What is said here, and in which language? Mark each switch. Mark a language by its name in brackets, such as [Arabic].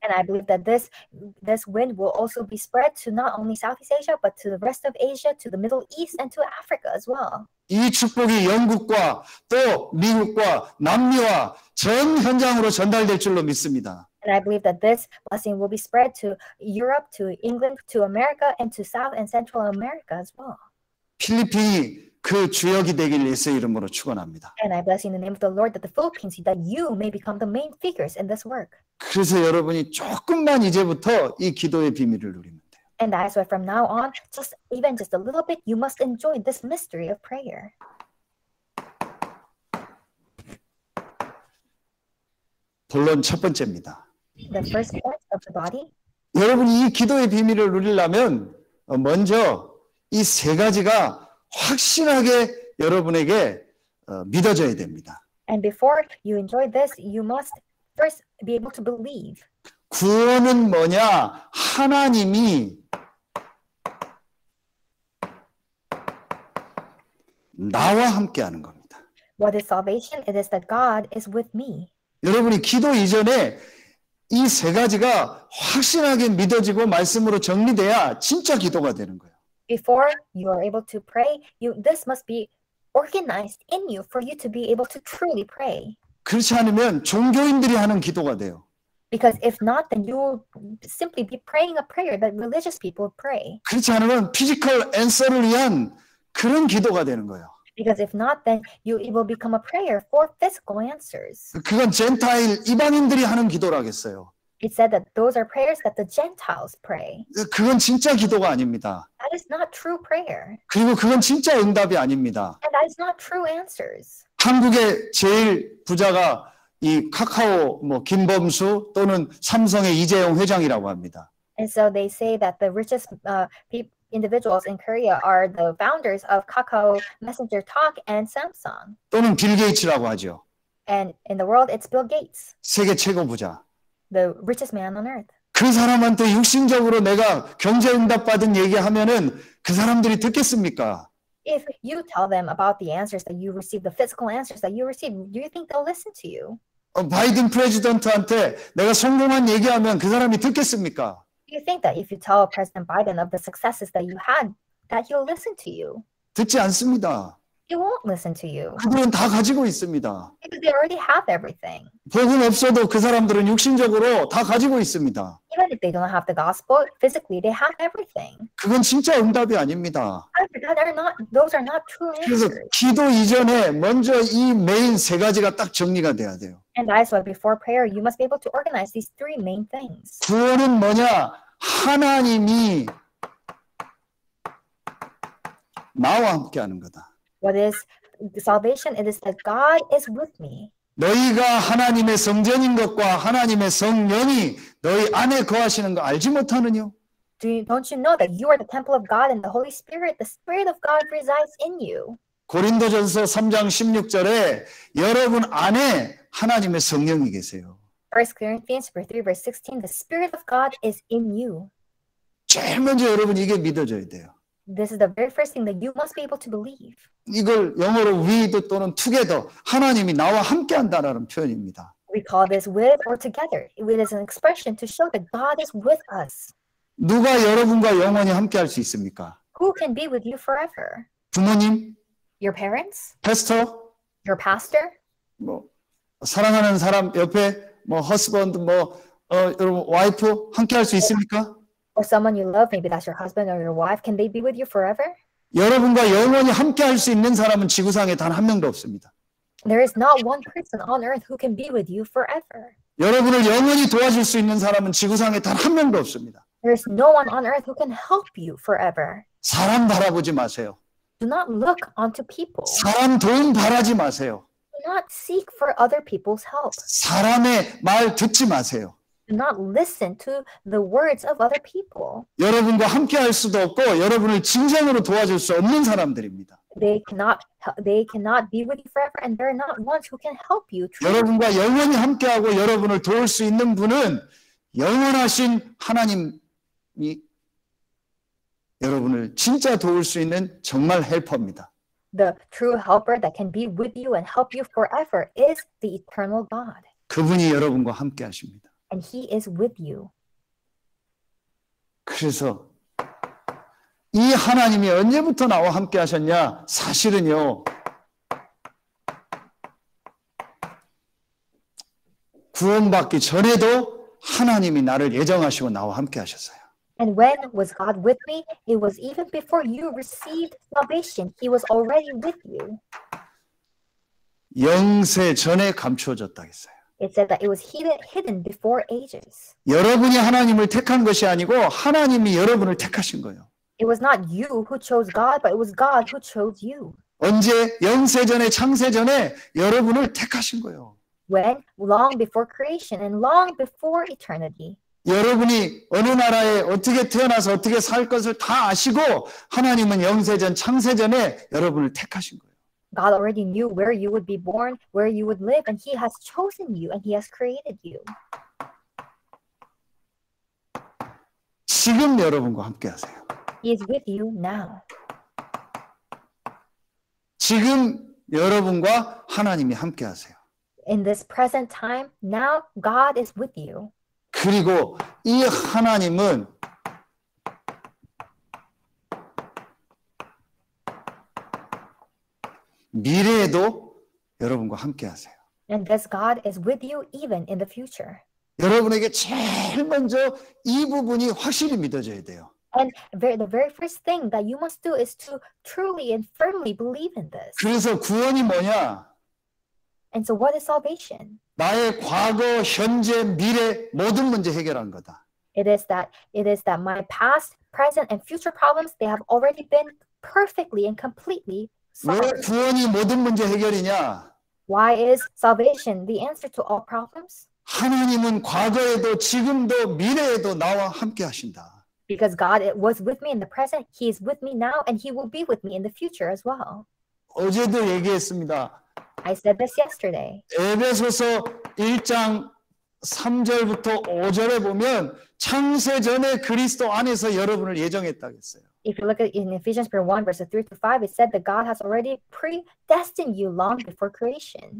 [English] And I believe that this wind will also be spread to not only Southeast Asia, but to the rest of Asia, to the Middle East, and to Africa as well. [Korean] 이 축복이 영국과 또 미국과 남미와 전 현장으로 전달될 줄로 믿습니다. [English] And I believe that this blessing will be spread to Europe, to England, to America, and to South and Central America as well. [Korean] 필리핀이 그 주역이 되기를 예수의 이름으로 축원합니다. [English] And I bless you in the name of the Lord that the Philippines that you may become the main figures in this work. [Korean] 그래서 여러분이 조금만 이제부터 이 기도의 비밀을 누리면 돼요. [English] And that's why from now on, just even just a little bit, you must enjoy this mystery of prayer. [Korean] 본론 첫 번째입니다. [English] The first point of the body. [Korean] 여러분이 이 기도의 비밀을 누리려면 먼저 이 세 가지가 확실하게 여러분에게 믿어져야 됩니다. [English] And before you enjoy this, you must first be able to believe. [Korean] 구원은 뭐냐? 하나님이 나와 함께 하는 겁니다. [English] What is salvation? It is that God is with me. [Korean] 여러분이 기도 이전에 이 세 가지가 확실하게 믿어지고 말씀으로 정리돼야 진짜 기도가 되는 거예요. [English] Before you are able to pray, you this must be organized in you for you to be able to truly pray. [Korean] 그렇지 않으면 종교인들이 하는 기도가 돼요. [English] Because if not, then you will simply be praying a prayer that religious people pray. [Korean] 그렇지 않으면 [English] physical answer [Korean] 을 위한 그런 기도가 되는 거예요. [English] Because if not, then you it will become a prayer for physical answers. [Korean] 그건 Gentile 이방인들이 하는 기도라겠어요. [English] It said that those are prayers that the Gentiles pray. [Korean] 그건 진짜 기도가 아닙니다. [English] That is not true prayer. [Korean] 그리고 그건 진짜 응답이 아닙니다. [English] And that is not true answers. [Korean] 한국의 제일 부자가 이 카카오 뭐 김범수 또는 삼성의 이재용 회장이라고 합니다. [English] And so they say that the richest individuals in Korea are the founders of Kakao, Messenger Talk, and Samsung. [Korean] 또는 빌 게이츠라고 하죠. [English] And in the world, it's Bill Gates. [Korean] 세계 최고 부자. [English] The richest man on earth. [Korean] 그 사람한테 육신적으로 내가 경제 응답 받은 얘기하면은 그 사람들이 듣겠습니까? [English] If you tell them about the answers that you receive, the physical answers that you receive, do you think they'll listen to you? [Korean] 바이든 프레지던트한테 내가 성공한 얘기하면 그 사람이 듣겠습니까? [English] Do you think that if you tell President Biden of the successes that you had, that he'll listen to you? [Korean] 듣지 않습니다. [English] He won't listen to you. [Korean] 그들은 다 가지고 있습니다. [English] Because they already have everything. [Korean] 복음 없어도 그 사람들은 육신적으로 다 가지고 있습니다. [English] Even if they don't have the gospel, physically they have everything. [Korean] 그건 진짜 응답이 아닙니다. [English] Those are not true answers. [Korean] 그래서 기도 이전에 먼저 이 메인 세 가지가 딱 정리가 돼야 돼요. [English] And that is why before prayer, you must be able to organize these three main things. [Korean] 구원은 뭐냐? 하나님이 나와 함께하는 거다. [English] What is salvation? It is that God is with me. [Korean] 너희가 하나님의 성전인 것과 하나님의 성령이 너희 안에 거하시는 거 알지 못하느뇨? [English] Don't you know that you are the temple of God and the Holy Spirit? The Spirit of God resides in you. [Korean] 고린도전서 3장 16절에 여러분 안에 하나님의 성령이 계세요. [English] 1 Corinthians 3, verse 16, the Spirit of God is in you. [Korean] 제일 먼저 여러분 이게 믿어져야 돼요. [English] This is the very first thing that you must be able to believe. [Korean] 이걸 영어로 with 또는 together, 하나님이 나와 함께 한다라는 표현입니다. [English] We call this with or together. It is an expression to show that God is with us. [Korean] 누가 여러분과 영원히 함께 할 수 있습니까? [English] Who can be with you forever? [Korean] 부모님? [English] Your parents? Pastor? Your pastor? [Korean] 뭐 사랑하는 사람 옆에 뭐 husband 뭐 여러분 와이프 함께 할 수 있습니까? [English] Or someone you love, maybe that's your husband or your wife. Can they be with you forever? [Korean] 여러분과 영원히 함께 할 수 있는 사람은 지구상에 단 한 명도 없습니다. [English] There is not one person on earth who can be with you forever. [Korean] 여러분을 영원히 도와줄 수 있는 사람은 지구상에 단 한 명도 없습니다. [English] There is no one on earth who can help you forever. [Korean] 사람 바라보지 마세요. [English] Do not look onto people. [Korean] 사람 도움 바라지 마세요. [English] Do not seek for other people's help. [Korean] 사람의 말 듣지 마세요. [English] Do not listen to the words of other people. [Korean] 여러분과 함께할 수도 없고 여러분을 진정으로 도와줄 수 없는 사람들입니다. [English] They cannot be with you forever, and they're not ones who can help you. Truly. [Korean] 여러분과 영원히 함께하고 여러분을 도울 수 있는 분은 영원하신 하나님이 여러분을 진짜 도울 수 있는 정말 헬퍼입니다. [English] The true helper that can be with you and help you forever is the eternal God. [Korean] 그분이 여러분과 함께하십니다. [English] And he is with you. [Korean] 그래서 이 하나님이 언제부터 나와 함께 하셨냐? 사실은요. 구원받기 전에도 하나님이 나를 예정하시고 나와 함께 하셨어요. [English] And when was God with me? It was even before you received salvation. He was already with you. [Korean] 영세 전에 감추어졌다 했어요. [English] It said that it was hidden before ages. [Korean] 여러분이 하나님을 택한 것이 아니고 하나님이 여러분을 택하신 거예요. [English] It was not you who chose God, but it was God who chose you. [Korean] 언제 영세 전에 창세 전에 여러분을 택하신 거예요. [English] When? Long before creation and long before eternity. [Korean] 여러분이 어느 나라에 어떻게 태어나서 어떻게 살 것을 다 아시고 하나님은 영세 전 창세 전에 여러분을 택하신 거예요. [English] God already knew where you would be born, where you would live, and He has chosen you and He has created you. [Korean] 지금 여러분과 함께 하세요. [English] He is with you now. [Korean] 지금 여러분과 하나님이 함께 하세요. [English] In this present time, now God is with you. [Korean] 그리고 이 하나님은 미래에도 여러분과 함께 하세요. [English] And this God is with you even in the future. [Korean] 여러분에게 제일 먼저 이 부분이 확실히 믿어져야 돼요. [English] And the very first thing that you must do is to truly and firmly believe in this. [Korean] 그래서 구원이 뭐냐? [English] And so what is salvation? [Korean] 나의 과거, 현재, 미래 모든 문제 해결한 거다. [English] It is that my past, present and future problems they have already been perfectly and completely solved. [Korean] 왜 구원이 모든 문제 해결이냐? [English] Why is salvation the answer to all problems? [Korean] 하나님은 과거에도 지금도 미래에도 나와 함께 하신다. [English] Because God it was with me in the present, he is with me now and he will be with me in the future as well. [Korean] 어제도 얘기했습니다. [English] I said this yesterday. [Korean] 에베소서 1장 3절부터 5절에 보면 창세 전에 그리스도 안에서 여러분을 예정했다 했어요. [English] If you look at in Ephesians 1 verse 3 to 5 it said that God has already predestined you long before creation.